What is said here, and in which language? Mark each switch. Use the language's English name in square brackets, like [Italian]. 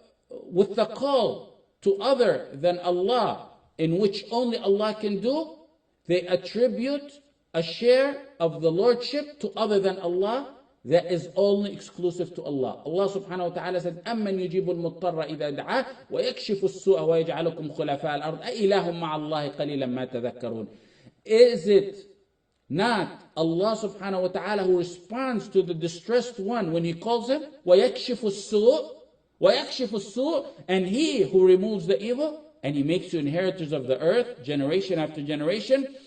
[English] With the call to other than Allah, in which only Allah can do, they attribute a share of the lordship to other than Allah, that is only exclusive to Allah. Allah subhanahu wa ta'ala said, [Arabic] أَمَّنْ يُجِيبُ الْمُضْطَرَّ إِذَا دَعَى وَيَكْشِفُ السُّوءَ وَيَجْعَلُكُمْ خُلَفَاءَ الْأَرْضِ أَإِلَهٌ مَعَ اللَّهِ قَلِيلًا مَا تَذَكَّرُونَ. [English] Is it not Allah subhanahu wa ta'ala who responds to the distressed one when he calls him, [Arabic] وَيَكْشِفُ السُّوءَ وَيَكْشِفُ السُّوءَ, [English] and he who removes the evil, and he makes you inheritors of the earth, generation after generation?